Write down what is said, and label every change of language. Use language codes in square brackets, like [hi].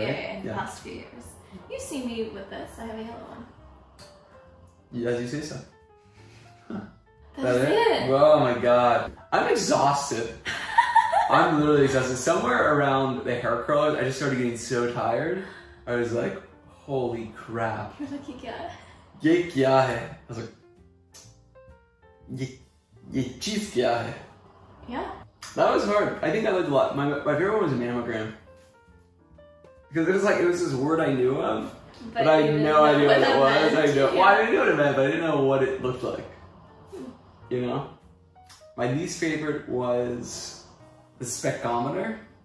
[en] in the past few years. You've seen me with this. I have a yellow one. Yeah, as you say so. That's it? Oh my god. I'm exhausted. I'm literally exhausted. Somewhere around the hair curlers, I just started getting so tired. I was like, holy crap. You're like, [hi] ये क्या है. [en] I was like, [hi] ये chief क्या है. [en] Yeah? That was hard. I think I learned a lot. My favorite one was a mammogram. Because it was like, it was this word I knew of, but I had no idea what it was. I knew, I didn't know what it meant, but I didn't know what it looked like. You know? My least favorite was the specometer.